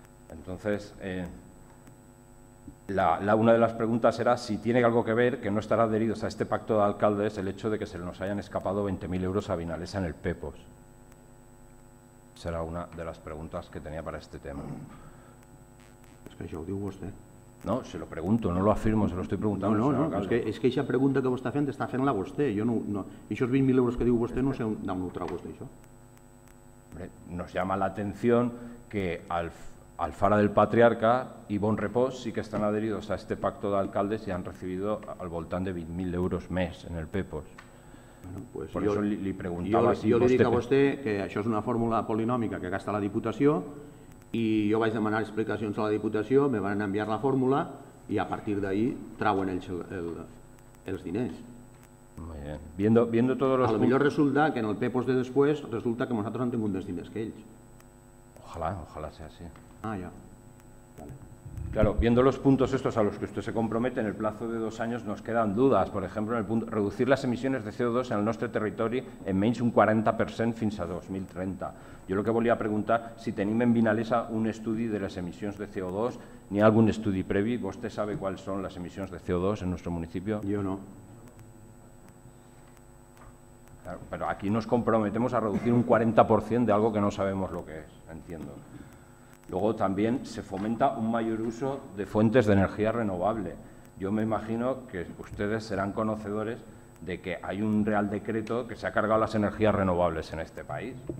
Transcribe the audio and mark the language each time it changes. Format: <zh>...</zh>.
<es>Entonces, una de las preguntas era si tiene algo que ver que no estará adherido a este pacto de alcaldes el hecho de que se nos hayan escapado 20.000 euros a Vinalesa en el PEPOS. Será una de las preguntas que tenía para este tema. Es que yo digo usted. No, se lo pregunto, no lo afirmo, se lo estoy preguntando.</es> <ca>No, és que aquesta pregunta que vostè està fent-la vostè. Aquests 20.000 euros que diu vostè no sé d'on ho trau vostè, això.</ca> <es>Hombre, nos llama la atención que Alfara del Patriarca y Bon Repòs sí que están adheridos a este pacto de alcaldes y han recibido</es> <ca>al voltant de 20.000 euros més</ca> <es>en el PEPOS. Por eso</es> <ca>li preguntava si vostè... Jo li dic a vostè que això és una fórmula polinòmica que gasta la Diputació, i jo vaig demanar explicacions a la Diputació, me van enviar la fórmula i a partir d'ahí trauen ells els diners.</ca> <es>Muy bien. Viendo todos los... A lo mejor resulta que en el PEPOS de después resulta que nosotros han tenido más</es> <ca>diners que ells.</ca> <es>Ojalá sea así. Ah, ya. Vale. Claro, viendo los puntos estos a los que usted se compromete, en el plazo de 2 años nos quedan dudas. Por ejemplo, en el punto reducir las emisiones de CO2 en</es> <ca>el nostre territori en menys un 40% fins a 2030. Jo el que volia preguntar, si tenim en Vinalesa un estudi de les emissions de CO2, n'hi ha algun estudi previ? Vostè sabe quals són les emissions de CO2 en el nostre municipi? Jo no. Però aquí</ca> <es>nos comprometemos a reducir un 40% de algo que no sabemos lo que es, entiendo. Luego también se fomenta un mayor uso de fuentes de energía renovable. Yo me imagino que ustedes serán conocedores de que hay un real decreto que se ha cargado las energías renovables en este país.</es>